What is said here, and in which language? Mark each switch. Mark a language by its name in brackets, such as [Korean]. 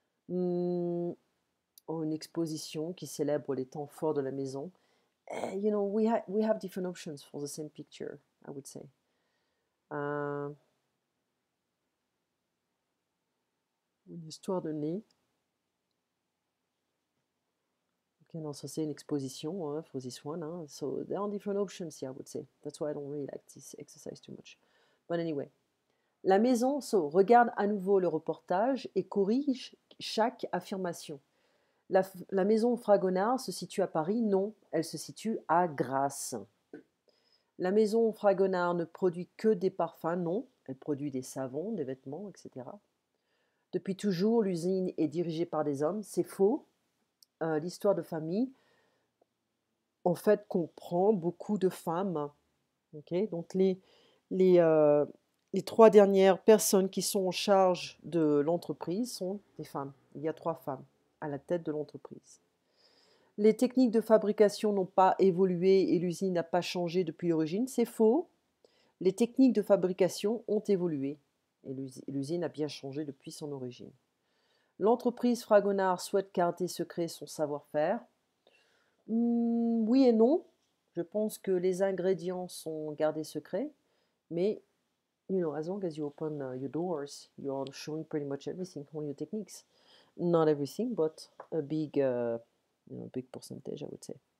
[French] Une exposition qui célèbre les temps forts de la maison. [English] You know, we have different options for the same picture, I would say. [French] Une histoire de nez. [English] Okay, [French] non, ça c'est une exposition, [English] for this one. Hein. So, there are different options here, I would say. That's why I don't really like this exercise too much. But anyway. [French] La maison, so, regarde à nouveau le reportage et corrige chaque affirmation. La maison Fragonard se situe à Paris? Non, elle se situe à Grasse. La maison Fragonard ne produit que des parfums? Non, elle produit des savons, des vêtements, etc. Depuis toujours, l'usine est dirigée par des hommes? C'est faux. L'histoire de famille, en fait, comprend beaucoup de femmes. Okay? Donc, les trois dernières personnes qui sont en charge de l'entreprise sont des femmes. Il y a trois femmes à la tête de l'entreprise. Les techniques de fabrication n'ont pas évolué et l'usine n'a pas changé depuis l'origine. C'est faux. Les techniques de fabrication ont évolué et l'usine a bien changé depuis son origine. L'entreprise Fragonard souhaite garder secret son savoir-faire. Oui et non. Je pense que les ingrédients sont gardés secrets. [English] Mais, you know, as long as you open your doors, you are showing pretty much everything, all your techniques. Not everything, but a big percentage, I would say.